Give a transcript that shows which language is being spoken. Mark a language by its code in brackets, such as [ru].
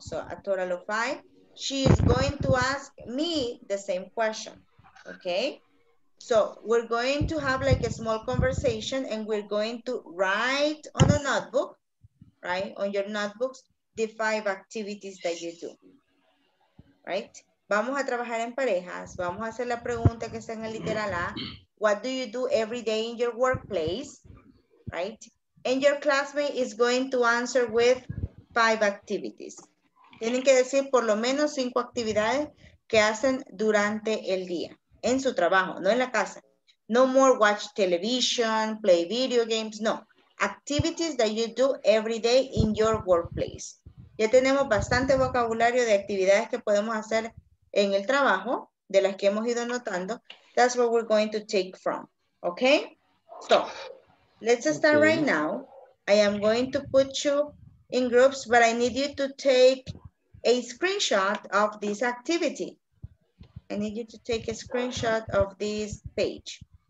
[en] So a total of 5. She is going to ask me the same question. Okay, so we're going to have like a small conversation and we're going to write on a notebook, right, on your notebooks, the 5 activities that you do, right? [es] Vamos a trabajar en parejas. Vamos a hacer la pregunta que está en el literal A. [en] What do you do every day in your workplace, right? And your classmate is going to answer with 5 activities. [es] Tienen que decir por lo menos 5 actividades que hacen durante el día, en su trabajo, no en la casa. [en] No more watch television, play video games, no. Activities that you do every day in your workplace. [es] Ya tenemos bastante vocabulario de actividades que podemos hacer en el trabajo, de las que hemos ido notando. [en] That's what we're going to take from, okay? So, let's start okay. Right now. I am going to put you in groups, but I need you to take a screenshot of this activity. I need you to take a screenshot of this page.